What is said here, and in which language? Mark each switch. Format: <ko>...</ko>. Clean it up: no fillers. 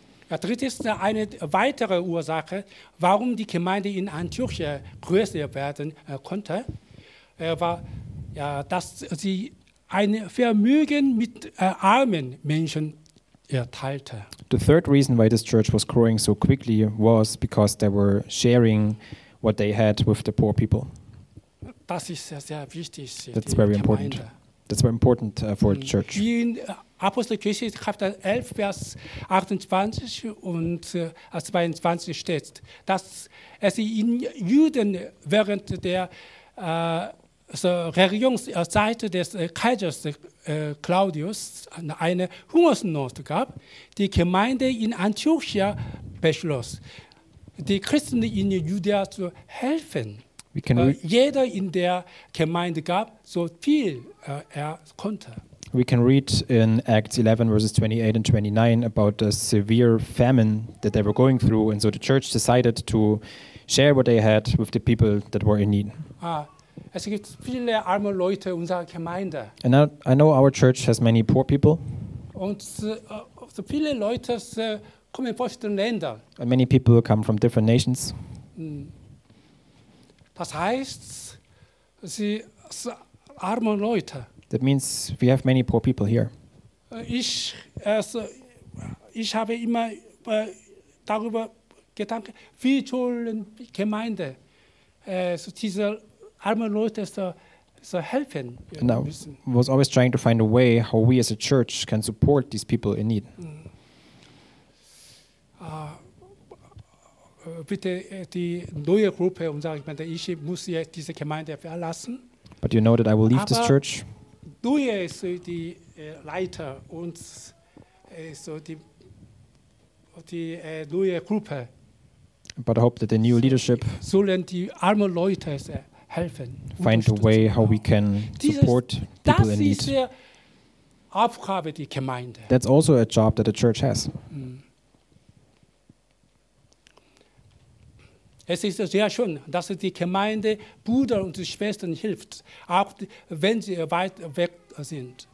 <de>Ja, drittens eine weitere Ursache, warum die Gemeinde in Antiochia größer werden konnte, war, dass sie ein Vermögen mit armen Menschen teilte.</de> <en>The third reason why this church was growing so quickly was because they were sharing what they had with the poor people.</en> <de>Das ist sehr wichtig.</de> <en>That's very important.</en> <de>Gemeinde.</de> <en>That's very important for the church.</en> <de>In Apostelgeschichte Kapitel 11 Vers 28 und 22 steht, dass es in Juden während der Regierungszeit des Kaisers Claudius eine Hungersnot gab, die Gemeinde in Antiochia beschloss, die Christen in Judäa zu helfen. Jeder in der Gemeinde gab so viel er konnte.</de> <en>We can read in Acts 11 verses 28 and 29 about the severe famine that they were going through, and so the church decided to share what they had with the people that were in need.</en> <de>Es gibt viele arme Leute in unserer Gemeinde.</de> <en>And I know our church has many poor people.</en> <de>Und so viele Leute kommen aus den Ländern.</de> <en>And many people come from different nations.</en> <de>Das heißt, sie sind arme Leute.</de> <en>That means we have many poor people here.</en> <de>Ich habe immer darüber gedacht, wie toll in der Gemeinde so diese arme Leute so helfen.</de> <en>And I was always trying to find a way how we as a church can support these people in need.</en> <de>Bitte die neue Gruppe unserer Gemeinde, ich muss jetzt diese Gemeinde verlassen.</de> <en>But you know that I will leave this church.</en> <de>Du bist die Leiter und so die neue Gruppe.</de> <en>But I hope that the new leadership</en> <de>sollen die arme Leute helfen.</de> <en>Find a way how we can support people in need.</en> <de>Das ist die Aufgabe der Gemeinde.</de> <en>That's also a job that the church has.</en> <de>Es ist sehr schön, dass die Gemeinde Brüder und Schwestern hilft, auch wenn sie weit weg sind.</de>